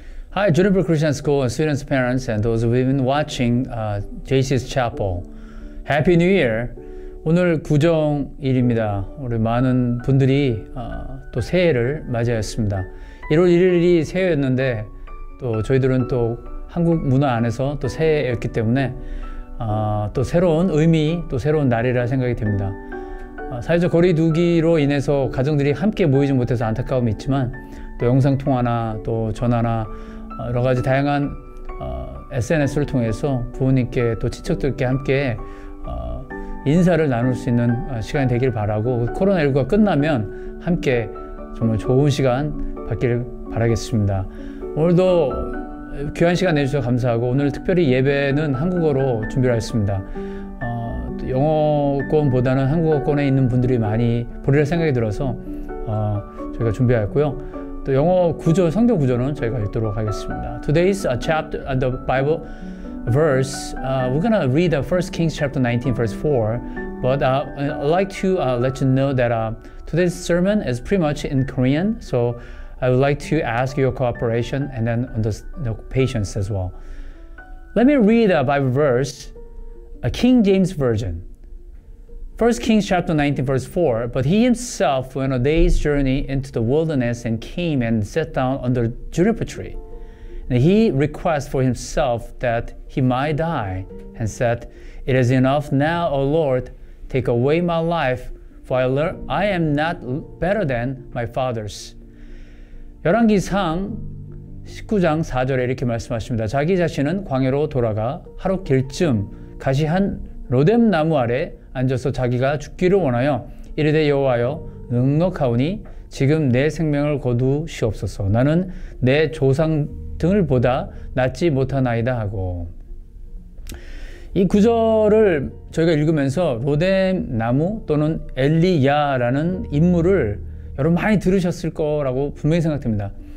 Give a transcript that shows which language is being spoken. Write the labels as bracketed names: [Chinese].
[English] 하이, Juniper Christian School students, parents, and those who have been watching JC's Chapel. Happy New Year! [Korean] 오늘 구정일입니다. 우리 많은 분들이 또 새해를 맞이하였습니다. 1월 1일이 새해였는데 또 저희들은 또 한국 문화 안에서 또 새해였기 때문에 또 새로운 의미, 또 새로운 날이라 생각이 됩니다. 사회적 거리 두기로 인해서 가정들이 함께 모이지 못해서 안타까움이 있지만 또 영상통화나 또 전화나 여러 가지 다양한 SNS를 통해서 부모님께 또 친척들께 함께 인사를 나눌 수 있는 시간이 되길 바라고 코로나19가 끝나면 함께 정말 좋은 시간 받기를 바라겠습니다. 오늘도 귀한 시간 내주셔서 감사하고 오늘 특별히 예배는 한국어로 준비를 했습니다. 영어권보다는 한국어권에 있는 분들이 많이 보리라 생각이 들어서 저희가 준비했고요. 또 영어 구절, 성경 구절은 저희가 읽도록 하겠습니다. [English] Today's chapter of the Bible verse, we're going to read the 1 Kings chapter 19, verse 4. But I'd like to let you know that today's sermon is pretty much in Korean. So I would like to ask your cooperation and then the patience as well. Let me read the Bible verse, a King James Version. 1 Kings chapter 19, verse 4, But he himself went a day's journey into the wilderness and came and sat down under a juniper tree. And he requested for himself that he might die and said, It is enough now, O Lord, take away my life, for I am not better than my fathers. [Korean] 열왕기상 19장 4절에 이렇게 말씀하십니다. 자기 자신은 광야로 돌아가 하루 길쯤 가시 한 로뎀 나무 아래 앉아서 자기가 죽기를 원하여 이르되 여호와여 넉넉하오니 지금 내 생명을 거두시옵소서 나는 내 조상 등을 보다 낫지 못하나이다 하고 이 구절을 저희가 읽으면서 로뎀나무 또는 엘리야라는 인물을 여러분 많이 들으셨을 거라고 분명히 생각됩니다.